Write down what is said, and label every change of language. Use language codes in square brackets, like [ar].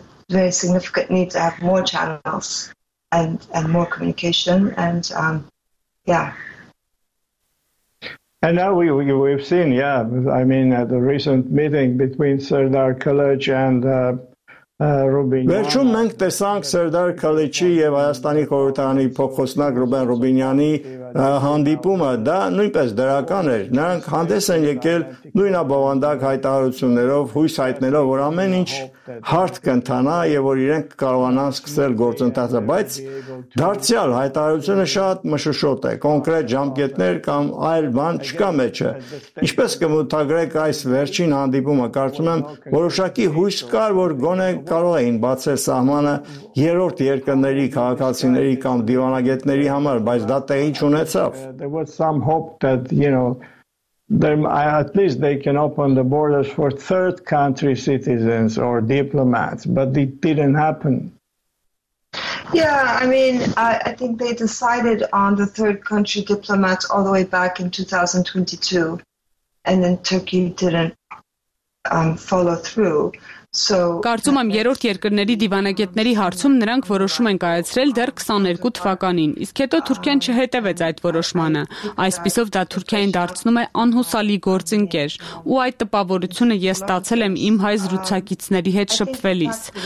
[en] Very significant need to have more channels and more communication and And now we've seen the recent meeting between Serdar Kılıç and [hy] Վերջում մենք տեսանք Սերդար Քալիչի եւ Հայաստանի խորհրդարանի փոխոսնակ Ռուբեն Ռուբինյանի հանդիպումը, դա նույնպես դրական էր։ Նրանք հանդես են եկել նույնաբովանդակ հայտարարություններով, հույս հայտնելով, որ ամեն ինչ հարթ կընթանա եւ որ իրենք կարողանան սկսել գործընթացը, բայց դարձյալ հայտարարությունը շատ մշուշոտ է, կոնկրետ ժամկետներ կամ այլ բան չկա մեջը։ Ինչպես կմտագրեք այս վերջին հանդիպումը, կարծում եմ որոշակի հույս կար, որ գոնե կարող էին բացել սահմանը երրորդ երկրների քաղաքացիների կամ դիվանագետների համար, բայց դա տեղի չունեցավ։ [en] There was some hope that, you know, at least they can open the borders for third country citizens or diplomats, but it didn't happen. Yeah, I think they decided on the third country diplomats all the way back in 2022, and then Turkey didn't follow through. [hy] Կարծում եմ երրորդ երկրների դիվանագետների հարցում նրանք որոշում են կայացրել դեռ 22 թվականին, իսկ հետո Թուրքիան չհետևեց այդ որոշմանը։ Այսպիսով դա Թուրքիային դարձնում է անհուսալի գործընկեր, ու այդ տպավորությունը ես ստացել եմ իմ հայ զրուցակիցների հետ շփվելիս։